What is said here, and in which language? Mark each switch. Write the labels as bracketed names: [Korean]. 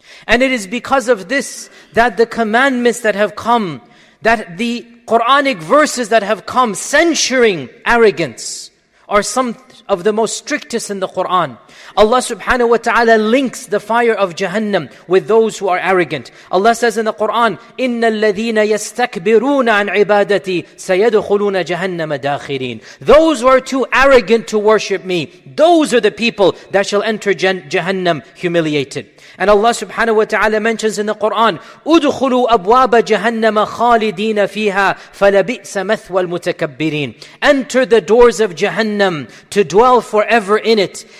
[English] And it is because of this that the commandments that have come, that the Quranic verses that have come censuring arrogance are some of the most strictest in the Quran. Allah subhanahu wa ta'ala links the fire of Jahannam with those who are arrogant. Allah says in the Quran, [Arabic] إِنَّ الَّذِينَ يَسْتَكْبِرُونَ عَنْ عِبَادَتِي سَيَدْخُلُونَ جَهَنَّمَ دَاخِرِينَ. [English] Those who are too arrogant to worship me, those are the people that shall enter Jahannam humiliated. And Allah subhanahu wa ta'ala mentions in the Quran, [Arabic] أُدْخُلُوا أَبْوَابَ جَهَنَّمَ خَالِدِينَ فِيهَا فَلَبِئْسَ مَثْوَى الْمُتَكَبِّرِينَ. [English] Enter the doors of Jahannam to dwell forever in it.